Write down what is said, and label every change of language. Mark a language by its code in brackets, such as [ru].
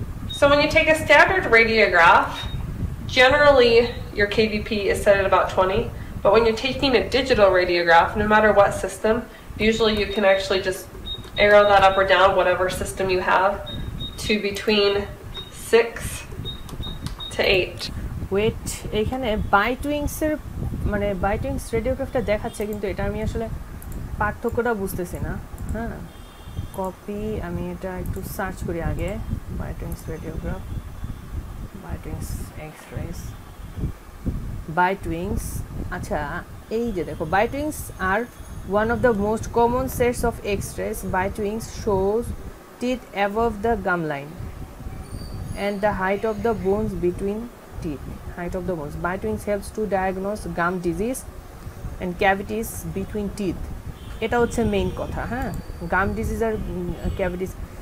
[en] So when you take a standard radiograph, generally your KVP is set at about 20, but when you're taking a digital radiograph, no matter what system, usually you can actually just arrow that up or down, whatever system you have, to between 6 to 8. [bn] Wait, এখানে byte উইংসের মানে byte wings রেডিওগ্রাফটা দেখাচ্ছে, কিন্তু এটা আমি আসলে পার্থক্যটা বুঝতেছি না। হ্যাঁ, কপি, আমি এটা একটু সার্চ করি আগে। Byte wings radiograph, byte wings x race, byte wings. আচ্ছা, এই যে দেখো, [en] Bite wings are one of the most common sets of X rays. Bite wings shows teeth above the gum line and the height of the bones between teeth, height of the bones. Bite wings helps to diagnose gum disease and cavities between teeth. [bn] Eta hocche main kotha, ha? [en] Gum disease or cavities.